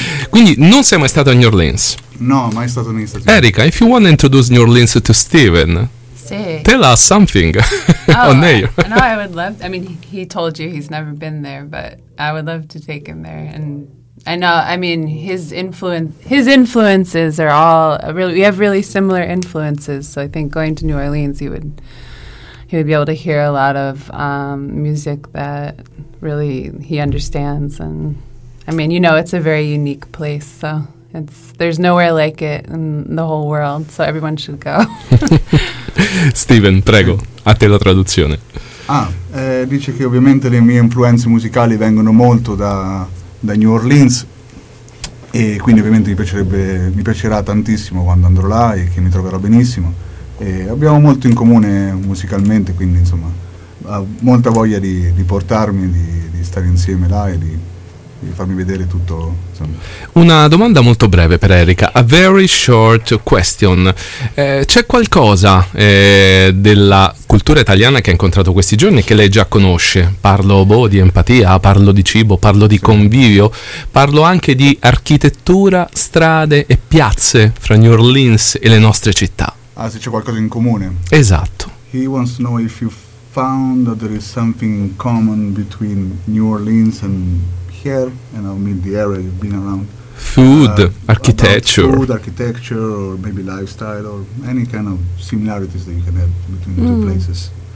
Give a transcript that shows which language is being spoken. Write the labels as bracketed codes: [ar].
[it] Quindi non sei mai stato a New Orleans? No, mai stato negli Stati Uniti. [en] Erica, if you want to introduce New Orleans to Steven, [it] sì. [en] Tell us something. Oh, no, I would love to, I mean, he told you he's never been there, but I would love to take him there. And I know, I mean, his influences are all really, we have really similar influences, so I think going to New Orleans, you would he would be able to hear a lot of music that really he understands. And I mean, you know, it's a very unique place, so it's there's nowhere like it in the whole world, so everyone should go. [it] Steven, prego, a te la traduzione. Dice che ovviamente le mie influenze musicali vengono molto da New Orleans, e quindi ovviamente mi piacerà tantissimo quando andrò là, e che mi troverò benissimo. E abbiamo molto in comune musicalmente, quindi insomma ha molta voglia di portarmi, di stare insieme là e di farmi vedere tutto, insomma. Una domanda molto breve per Erika, [en] a very short question. [it] C'è qualcosa della cultura italiana che ha incontrato questi giorni che lei già conosce? Parlo di empatia, parlo di cibo, parlo di convivio, parlo anche di architettura, strade e piazze fra New Orleans e le nostre città. Ah, se c'è qualcosa in comune. Esatto. [en] He wants to know if you found that there is something in common between New Orleans and here, and I mean the area you've been around. Food, architecture. About food, architecture, or maybe lifestyle, or any kind of similarities that you can have between the two places.